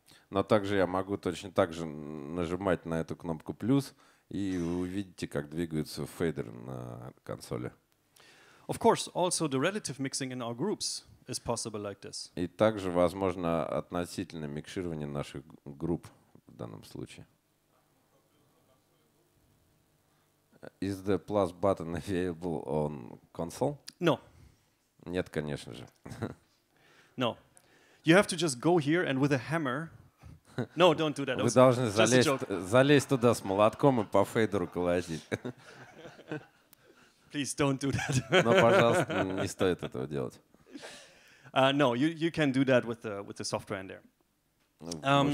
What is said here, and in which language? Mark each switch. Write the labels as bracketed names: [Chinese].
[Russian] Но также я могу точно так же нажимать на эту кнопку плюс, и вы увидите, как двигаются фейдеры на консоли. [English] Of course, also the relative mixing in our groups is possible like this. [Russian] И также возможно относительное микширование наших групп. В данном случае. [English] Is the plus button available on console? No. [Russian] Нет, конечно же. [English] No. You have to just go here and with a hammer. No, don't do that. [Russian] Вы должны залезть туда с молотком и по фейдеру колотить. [English] Please don't do that. [Russian] Но, пожалуйста, не стоит этого делать. [English] No, you can do that with the software in there.